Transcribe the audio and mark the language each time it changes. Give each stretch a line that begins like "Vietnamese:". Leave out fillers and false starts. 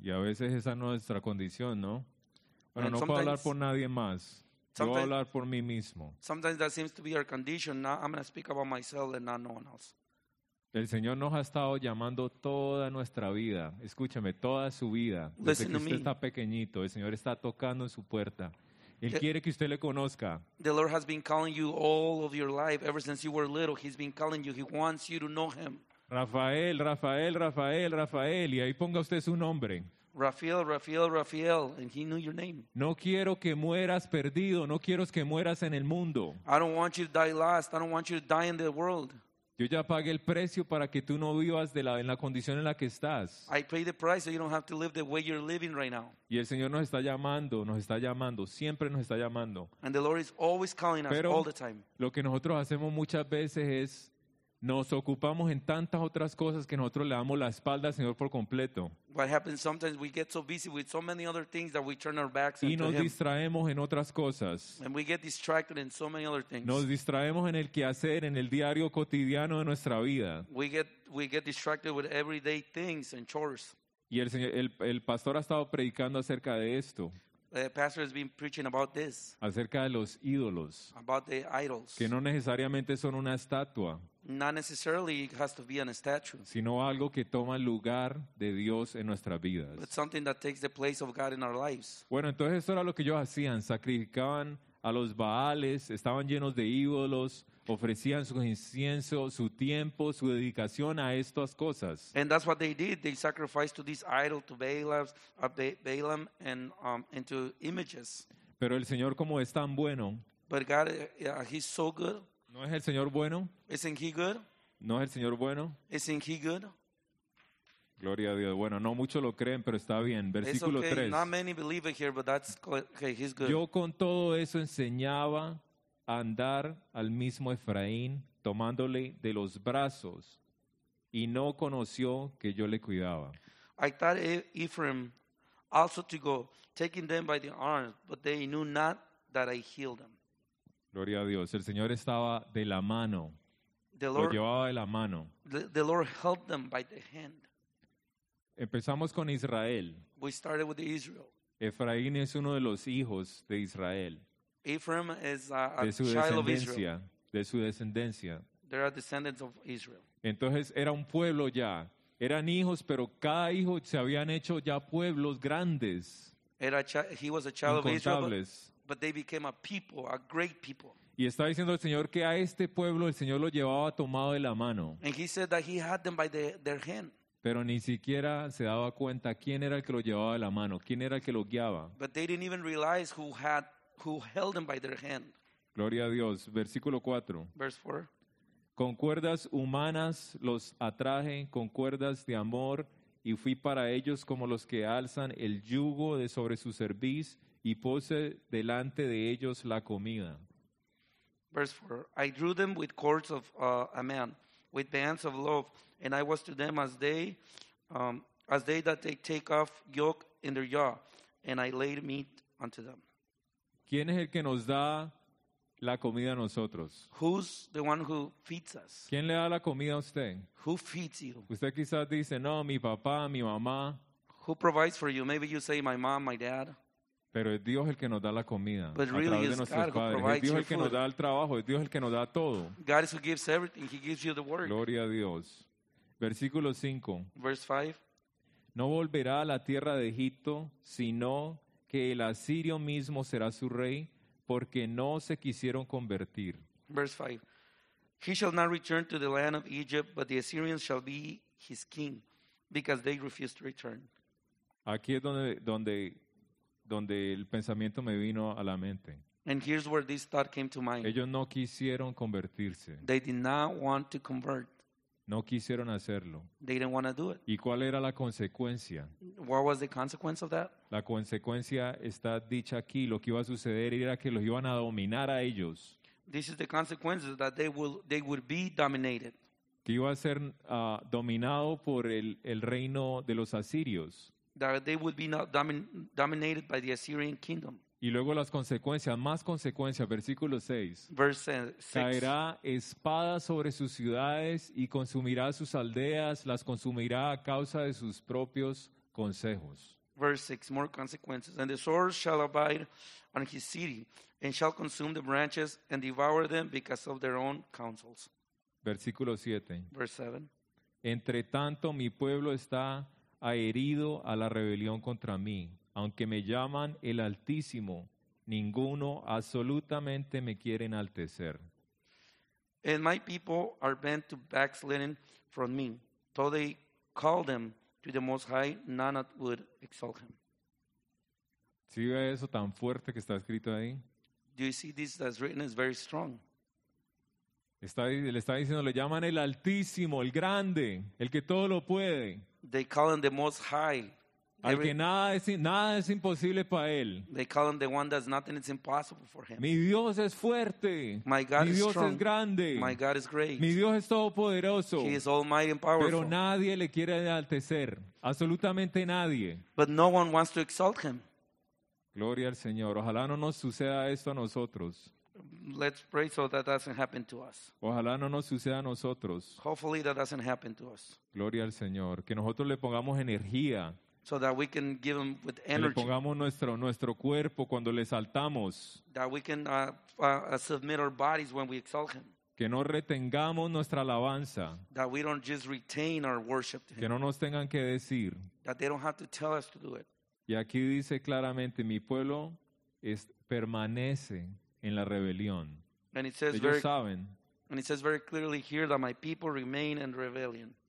Spanish: Y a veces esa es nuestra condición, ¿no? Bueno, no puedo hablar por nadie más. Yo voy a hablar por mí mismo.
English: Sometimes that seems to be our condition. Now I'm going to speak about myself and not no one else.
Spanish: El Señor nos ha estado llamando toda nuestra vida. Escúcheme, toda su vida.
English: Listen
Spanish: desde que usted
English: me.
Spanish: Está pequeñito, el Señor está tocando en su puerta. Él quiere que usted le conozca.
English: The Lord has been calling you all of your life. Ever since you were little, He's been calling you. He wants you to know Him.
Spanish: Rafael, Rafael, Rafael, Rafael. Y ahí ponga usted su nombre.
English: Rafael, Rafael, Rafael, and he knew your name.
Spanish: No quiero que mueras perdido, no quiero que mueras en el mundo.
English: I don't want you to die last, I don't want you to die in the world.
Spanish: Yo ya pagué el precio para que tú no vivas en la condición en la que estás.
English: I paid the price so you don't have to live the way you're living right now.
Spanish: Y el Señor nos está llamando, siempre nos está llamando.
English: And the Lord is always calling us.
Spanish: Pero
English: all the time.
Spanish: Lo que nosotros hacemos muchas veces es nos ocupamos en tantas otras cosas que nosotros le damos la espalda al Señor por completo.
English: What happens sometimes we get so busy with so many other things that we turn our backs onto
Spanish: Y nos distraemos en otras cosas.
English: And we get distracted in so many other things.
Spanish: Nos distraemos en el quehacer, en el diario cotidiano de nuestra vida.
English: We get distracted with everyday things and chores.
Spanish: Y el pastor ha estado predicando acerca de esto.
English: Pastor has been preaching about this.
Spanish: Acerca de los ídolos.
English: About the idols.
Spanish: Que no necesariamente son una estatua.
English: Not necessarily it has to be a statue.
Spanish: Sino algo que toma lugar de Dios en nuestras vidas.
English: But something that takes the place of God in our lives.
Spanish: Bueno, entonces eso era lo que ellos hacían. Sacrificaban a los Baales, estaban llenos de ídolos, ofrecían su incienso, su tiempo, su dedicación a estas cosas.
English: And that's what they did. They sacrificed to this idol, to Balaam, and into images.
Spanish: Pero el Señor, como es tan bueno.
English: But God, he's so good.
Spanish: ¿No es el Señor bueno?
English: Isn't he good?
Spanish: ¿No es el Señor bueno?
English: Isn't he good?
Spanish: Gloria a Dios. Bueno, no muchos lo creen, pero está bien. Versículo 3.
English: It's okay. Not many believe it here, but that's okay. He's good.
Spanish: Yo con todo eso enseñaba a andar al mismo Efraín, tomándole de los brazos, y no conoció que yo le cuidaba.
English: I taught Ephraim also to go, taking them by the arms, but they knew not that I healed them.
Spanish: Gloria a Dios. El Señor estaba de la mano. Lo llevaba de la mano.
English: The Lord helped them by the hand.
Spanish: Empezamos con Israel.
English: We started with Israel.
Spanish: Efraín es uno de los hijos de Israel.
English: Ephraim is a child of Israel.
Spanish: De su descendencia.
English: They are descendants of Israel.
Spanish: Entonces era un pueblo ya. Eran hijos, pero cada hijo se habían hecho ya pueblos grandes.
English: He was a child of Israel, but they became a people, a great people.
Spanish: Y está diciendo el Señor que a este pueblo el Señor lo llevaba tomado de la mano.
English: And he said that he had them by their hand.
Spanish: Pero ni siquiera se daba cuenta quién era el que lo llevaba de la mano, quién era el que lo guiaba.
English: But they didn't even realize who held them by their hand.
Spanish: Gloria a Dios. Versículo 4.
English: Verse 4.
Spanish: Con cuerdas humanas los atraje, con cuerdas de amor, y fui para ellos como los que alzan el yugo de sobre su cerviz, y puse delante de ellos la comida.
English: Verse 4. I drew them with cords of a man, with bands of love, and I was to them as they that they take off yoke in their jaw, and I laid meat unto them.
Spanish: ¿Quién es el que nos da la comida a nosotros?
English: Who's the one who feeds us?
Spanish: ¿Quién le da la comida a usted?
English: Who feeds you?
Spanish: Usted quizás dice, no, mi papá, mi mamá.
English: Who provides for you? Maybe you say, my mom, my dad.
Spanish: Pero es Dios el que nos da la comida.
English: But really,
Spanish: a través de nuestros
English: God
Spanish: padres.
English: Who
Spanish: es Dios el
English: food.
Spanish: Que nos da el trabajo. Es Dios el que nos da todo.
English: God is who gives everything. He gives you the work.
Spanish: Gloria a Dios. Versículo 5.
English: Verse 5.
Spanish: No volverá a la tierra de Egipto, sino que el asirio mismo será su rey, porque no se quisieron convertir.
English: Verse 5. He shall not return to the land of Egypt, but the Assyrians shall be his king, because they refused to return.
Spanish: Aquí es donde el pensamiento me vino a la mente.
English: And here's where this thought came to mind.
Spanish: Ellos no quisieron convertirse.
English: They did not want to convert.
Spanish: No quisieron hacerlo.
English: They didn't want to do it.
Spanish: ¿Y cuál era la consecuencia?
English: What was the consequence of that?
Spanish: La consecuencia está dicha aquí. Lo que iba a suceder era que los iban a dominar a ellos.
English: This is the consequence that they would be dominated.
Spanish: Que iba a ser dominado por el reino de los asirios.
English: That they would be not dominated by the Assyrian kingdom.
Spanish: Y luego las consecuencias, más consecuencias, versículo 6.
English: Verse 6.
Spanish: Caerá espada sobre sus ciudades y consumirá sus aldeas, las consumirá a causa de sus propios consejos.
English: Verse 6, more consequences. And the sword shall abide on his city and shall consume the branches and devour them because of their own counsels.
Spanish: Versículo 7.
English: Verse 7.
Spanish: Entre tanto, mi pueblo está ha herido a la rebelión contra mí. Aunque me llaman el Altísimo, ninguno absolutamente me quiere enaltecer.
English: And my people are bent to backsliding from me. Though they call them to the Most High, none would exalt him.
Spanish: ¿Sí ve eso tan fuerte que está escrito ahí?
English: Do you see this that's written is very strong?
Spanish: Le está diciendo, le llaman el Altísimo, el Grande, el que todo lo puede.
English: They call him the Most High.
Spanish: Al que nada es imposible para él.
English: They call him the one that's nothing is impossible for him.
Spanish: Mi Dios es fuerte.
English: My God
Spanish: Mi Dios
English: is strong.
Spanish: Es grande.
English: My God is great.
Spanish: Mi Dios es todopoderoso.
English: He is almighty and powerful.
Spanish: Pero nadie le quiere enaltecer. Absolutamente nadie.
English: But no one wants to exalt him.
Spanish: Gloria al Señor. Ojalá no nos suceda esto a nosotros.
English: Let's pray so that doesn't happen to us.
Spanish: Ojalá no nos suceda a nosotros.
English: Hopefully that doesn't happen to us.
Spanish: Gloria al Señor. Que nosotros le pongamos energía.
English: So that we can give him with energy.
Spanish: Le pongamos nuestro cuerpo cuando le saltamos.
English: That we can submit our bodies when we exalt him.
Spanish: Que no retengamos nuestra alabanza.
English: That we don't just retain our worship to him.
Spanish: Que no nos tengan que decir.
English: That they don't have to tell us to do it.
Spanish: Y aquí dice claramente, mi pueblo permanece en la rebelión.
English: And it says very clearly here that my people remain in rebellion.